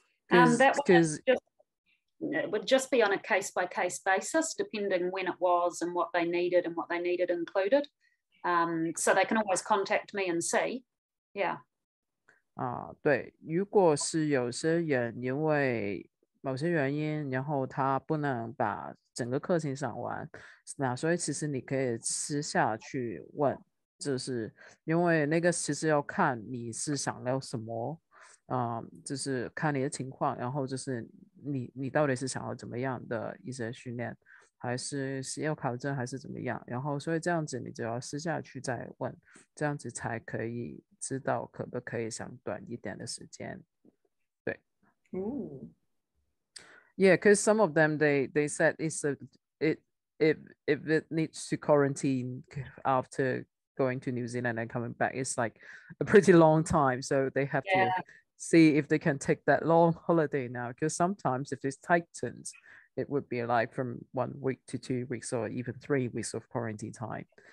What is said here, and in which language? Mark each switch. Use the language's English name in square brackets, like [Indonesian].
[English] It would just be on a case-by-case basis, depending when it was and what they needed and what they needed included. So they can always contact me and see. Yeah. [Chinese] 对，如果是有些人因为某些原因，然后他不能把整个课程上完，那所以其实你可以私下去问，就是因为那个其实要看你是想要什么，就是看你的情况，然后就是你到底是想要怎么样的一些训练，还是要考证还是怎么样，然后所以这样子你就要私下去再问，这样子才可以知道可不可以想短一点的时间。对。 Ooh. [English] Yeah, because some of them they said if it needs to quarantine after going to New Zealand and coming back, it's like a pretty long time, so they have to see if they can take that long holiday now, because sometimes if it's tightened, it would be like from 1 week to 2 weeks or even 3 weeks of quarantine time.